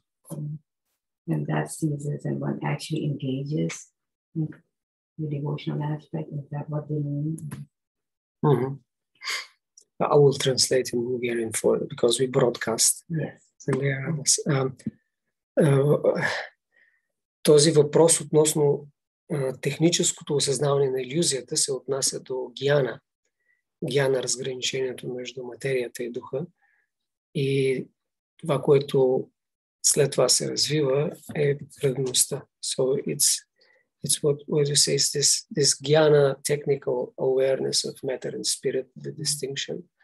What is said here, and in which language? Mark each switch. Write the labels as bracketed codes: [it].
[en] And that ceases and one actually engages in the devotional aspect. Is that what they mean? Mm-hmm. I will translate in Hungarian for it because we broadcast. Yes. [bg] Този въпрос относно техническото осъзнаване на илюзията се отнася до гиана. Гиана, разграничението между материята и духа. И това, което след това се развива, е предността. [en] So it's what you say is this гиана, technical awareness of matter and spirit, the distinction.